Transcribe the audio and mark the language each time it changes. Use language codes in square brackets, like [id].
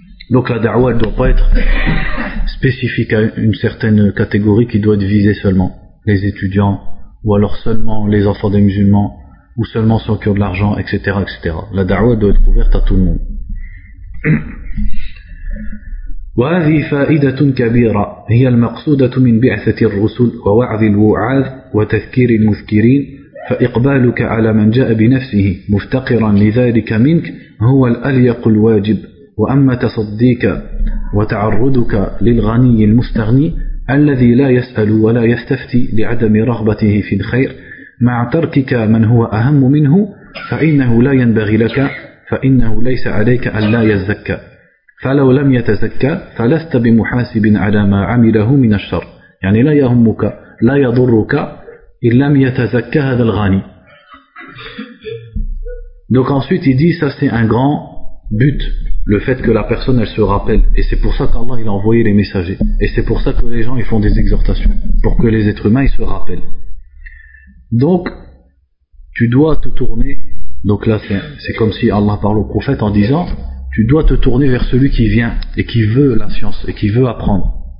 [fr] Donc la da'wah, elle ne doit pas être spécifique à une certaine catégorie qui doit être visée seulement. Les étudiants, ou alors seulement les enfants des musulmans, ou seulement ceux qui ont de l'argent, etc. etc. La da'wah, elle doit être ouverte à tout le monde. [ar] وهذه فائدة كبيرة هي المقصودة من بعثة الرسل ووعظ الوعاظ وتذكير المذكرين فإقبالك على من جاء بنفسه مفتقرا لذلك منك هو الأليق الواجب وأما تصديك وتعرضك للغني المستغني الذي لا يسأل ولا يستفتي لعدم رغبته في الخير مع تركك من هو أهم منه فإنه لا ينبغي لك فإنه ليس عليك ألا يزكى فلو لم يتزكى فلست بمحاسب على ما عمله من الشر يعني لا يهمك لا يضرك إن لم يتزكى هذا الغني. [fr] Donc ensuite il dit, ça c'est un grand but, le fait que la personne elle se rappelle, et c'est pour ça qu'Allah il a envoyé les messagers, et c'est pour ça que les gens ils font des exhortations, pour que les êtres humains ils se rappellent. Donc tu dois te tourner, donc là c'est comme si Allah parle au prophète en disant, tu dois te tourner vers celui qui vient et qui veut la science et qui veut apprendre.